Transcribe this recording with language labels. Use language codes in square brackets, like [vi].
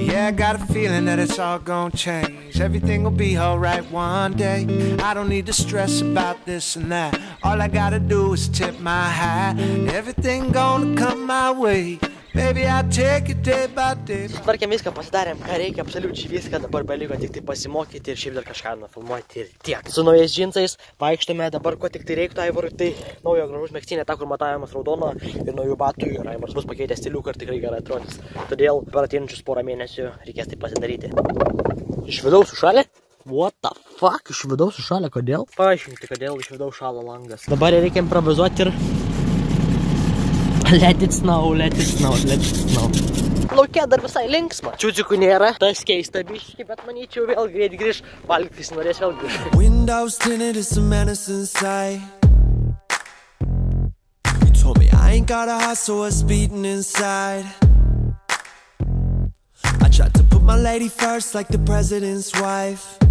[en] I got a feeling that it's all gonna change. Everything will be alright one day. I don't need to stress about this and that. All I gotta do is tip my hat. Everything gonna come my way. Baby, I take it day by day. [lt] Sutvarkėm viską, pasidarėm, ką reikia, absoliučiai viską. Dabar beliko tik tai pasimokyti ir šiaip dar kažką nufilmuoti ir tiek. Su naujais džinsais vaikštome dabar, ko tik tai reiktų Aivarui. Tai naujo gražus megztinė, ta kur matavimas raudona. Ir naujų batų, ir Aivaras bus pakeitęs stiliuką ir tikrai gerai atrodys. Todėl per ateinančius porą mėnesių reikės tai pasidaryti. Iš vidaus sušalė? [en] What the fuck, [lt] iš vidaus sušalė, kodėl? Paaiškinti, kodėl iš vidaus šalo langas. Dabar reikia improvizuoti ir... [en] Let it snow. [lt] Lauke dar visai linksma. Čiūčiukų nėra. Tas keista biškį, bet manyčiau vėl greit grįž. Valgtis norės vėl grįž. [en] Windows tinted is a menace inside. You told me I ain't got a heart, so what's beating inside. I tried to put my lady first like the president's wife.